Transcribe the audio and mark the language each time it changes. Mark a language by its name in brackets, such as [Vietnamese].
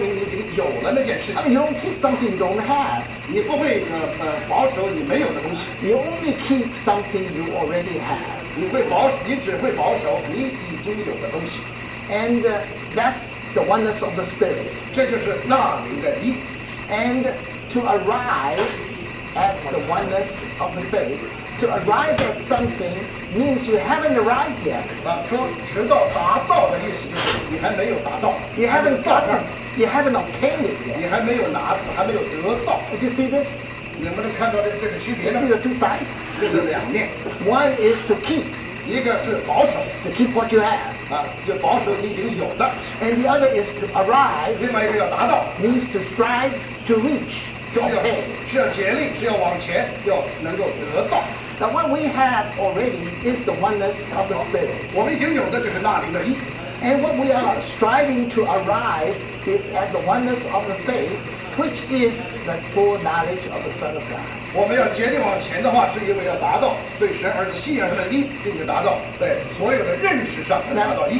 [Chinese] 当我们说你要保守那个你保守的时候，说明你已经有了那件事情。 [English] You don't keep something you don't have. [Chinese] 你不会保守你没有的东西。 [English] You only keep something you already have. [Chinese] 你只会保守你已经有的东西。 [English] And that's the oneness of the Spirit. [Chinese] 这就是那灵的一。 [English] And to arrive at the oneness of the faith, to arrive at something means you haven't arrived yet. [Chinese] 说迟到达到的意思就是你还没有达到。 [English] You haven't obtained it yet. [Chinese] 你还没有拿到，还没有得到。 [English] Did you see this? [Chinese] 能不能看到这个区别呢? [English] You see the two sides? [Chinese] 这是两面。 [English] One is to keep. [Chinese] 一个是保守。 [English] To keep what you have. [Chinese] 就保守你已经有的。 [English] And the other is to arrive. [Chinese] 另外一个要达到。 [English] Means to strive, to reach, to obtain. [Chinese] 是要竭力，是要往前，要能够得到。 [English] Now what we have already is the oneness of the Spirit. [Chinese] 我们已经有的就是那灵的意。 [English] And what we are striving to arrive is at the oneness of the faith, which is the full knowledge of the Son of God. [Chinese] 我们要竭力往前的话，是因为要达到对神儿子信仰上的一，并且达到对所有的认识上的达到一。